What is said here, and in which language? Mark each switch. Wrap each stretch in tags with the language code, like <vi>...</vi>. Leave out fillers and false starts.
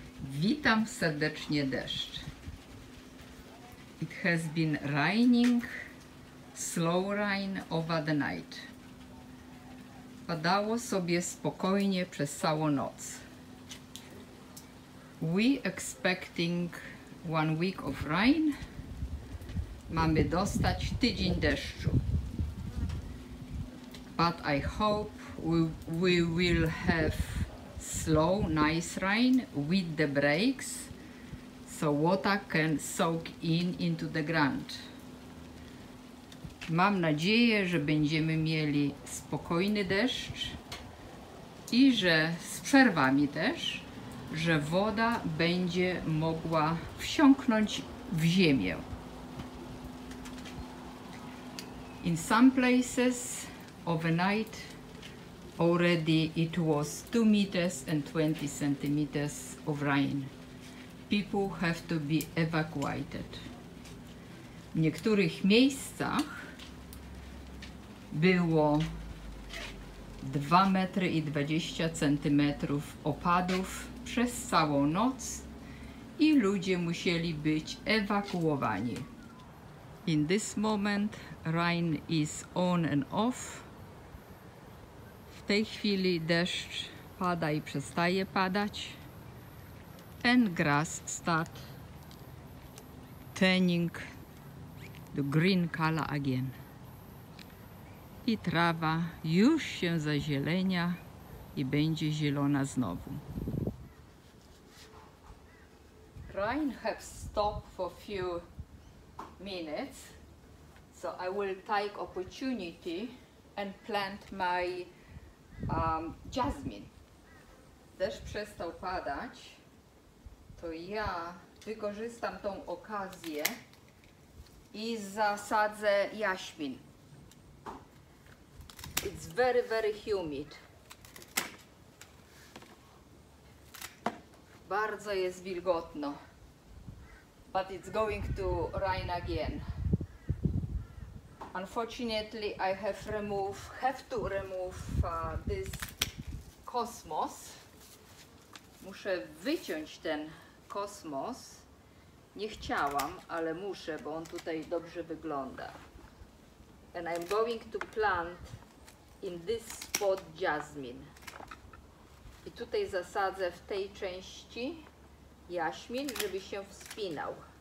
<pl>Witam serdecznie deszcz.</pl> <en>It has been raining, slow rain over the night.</en> <pl>Padało sobie spokojnie przez całą noc.</pl> <en>We expecting 1 week of rain.</en> <pl>Mamy dostać tydzień deszczu.</pl> <en>But I hope we will have slow, nice rain with the breaks, so water can soak into the ground.</en> <pl>Mam nadzieję, że będziemy mieli spokojny deszcz i że z przerwami też, że woda będzie mogła wsiąknąć w ziemię.</pl> <en>In some places overnight already it was 2 meters and 20 centimeters of rain. People have to be evacuated.</en> <pl>W niektórych miejscach było 2 metry i 20 centymetrów opadów przez całą noc i ludzie musieli być ewakuowani.</pl> <en>In this moment rain is on and off.</en> <pl>W tej chwili deszcz pada i przestaje padać.</pl> <en>And grass start turning the green color again.</en> <pl>I trawa już się zazielenia i będzie zielona znowu.</pl> <en>Rain have stopped for few minutes, so I will take opportunity and plant my jasmin.</en> <pl>Deszcz przestał padać, to ja wykorzystam tą okazję i zasadzę jaśmin.</pl> <en>It's very, very humid.</en> <pl>Bardzo jest wilgotno.</pl> <en>But it's going to rain again. Unfortunately, I have to remove this kosmos.</en> <pl>Muszę wyciąć ten kosmos. Nie chciałam, ale muszę, bo on tutaj dobrze wygląda.</pl> <en>And I'm going to plant in this spot jasmine.</en> <pl>I tutaj zasadzę w tej części jaśmin, żeby się wspinał.</pl>